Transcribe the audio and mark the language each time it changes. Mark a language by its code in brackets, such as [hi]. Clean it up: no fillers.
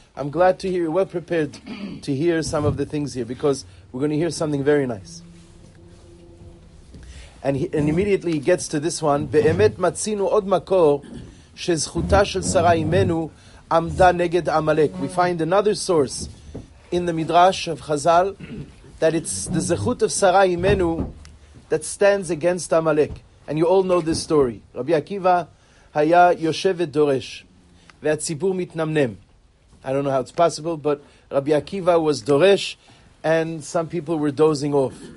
[en] I'm glad to hear you're well prepared to hear some of the things here, because we're going to hear something very nice. And immediately he gets to this one. [he] באמת מצינו עוד מקור שזכותה של שרה אימנו עמדה נגד עמלק. [en] We find another source in the Midrash of Chazal that it's the zechut of Sarah Imenu that stands against Amalek. And you all know this story. Rabbi Akiva [he] haya yoshevet doresh ve'atzibur mitnamnem. [en] I don't know how it's possible, but Rabbi Akiva was doresh and some people were dozing off.